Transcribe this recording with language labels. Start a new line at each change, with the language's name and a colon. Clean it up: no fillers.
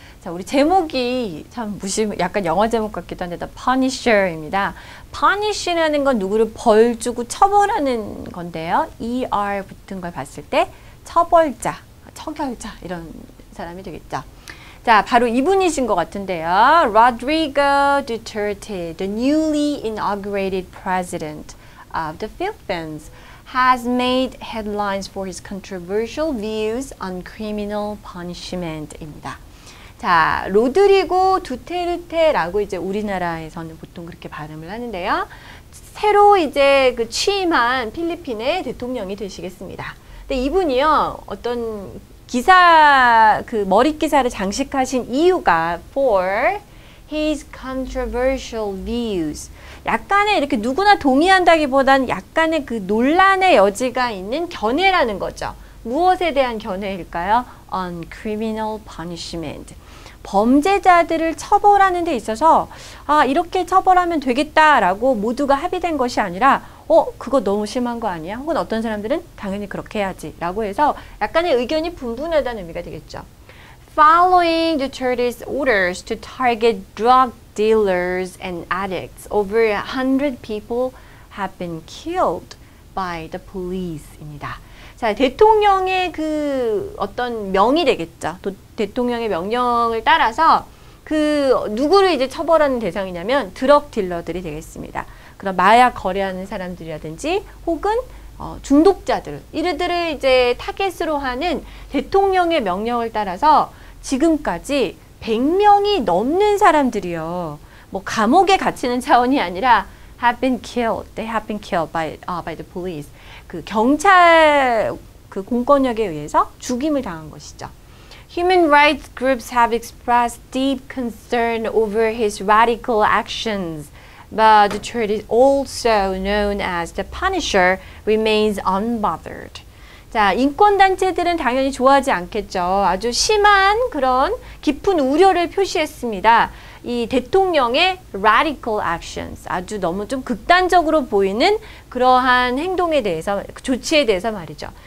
Korean: 자, 우리 제목이 참 약간 영화 제목 같기도 한데 The Punisher입니다. Punish라는 건 누구를 벌 주고 처벌하는 건데요. ER 붙은 걸 봤을 때 처벌자, 처결자 이런 사람이 되겠죠. 자, 바로 이분이신 것 같은데요.
English: Rodrigo Duterte, the newly inaugurated president of the Philippines, has made headlines for his controversial views on criminal punishment
Korean: 입니다. 자, 로드리고 두테르테라고 이제 우리나라에서는 보통 그렇게 발음을 하는데요. 새로 이제 그 취임한 필리핀의 대통령이 되시겠습니다. 근데 이분이요, 어떤 기사, 그 머릿기사를 장식하신 이유가
English: for his controversial views.
Korean: 약간의 이렇게 누구나 동의한다기보단 약간의 그 논란의 여지가 있는 견해라는 거죠. 무엇에 대한 견해일까요?
English: On criminal punishment.
Korean: 범죄자들을 처벌하는 데 있어서 아, 이렇게 처벌하면 되겠다라고 모두가 합의된 것이 아니라 그거 너무 심한 거 아니야? 혹은 어떤 사람들은 당연히 그렇게 해야지 라고 해서 약간의 의견이 분분하다는 의미가 되겠죠.
English: Following Duterte's orders to target drug dealers and addicts, over 100 people have been killed by the police
Korean: 입니다. 자, 대통령의 그 어떤 명이 되겠죠. 대통령의 명령을 따라서 그 누구를 이제 처벌하는 대상이냐면 드럭 딜러들이 되겠습니다. 그런 마약 거래하는 사람들이라든지 혹은 중독자들, 이들을 이제 타겟으로 하는 대통령의 명령을 따라서 지금까지 100명이 넘는 사람들이요. 뭐 감옥에 갇히는 차원이 아니라
English: have been killed. They have been killed by the police.
Korean: 그 경찰 그 공권력에 의해서 죽임을 당한 것이죠.
English: Human rights groups have expressed deep concern over his radical actions, but Duterte, also known as the Punisher, remains unbothered.
Korean: 자, 인권 단체들은 당연히 좋아하지 않겠죠. 아주 심한 그런 깊은 우려를 표시했습니다. 이 대통령의
English: radical actions,
Korean: 아주 너무 좀 극단적으로 보이는 그러한 행동에 대해서, 조치에 대해서 말이죠.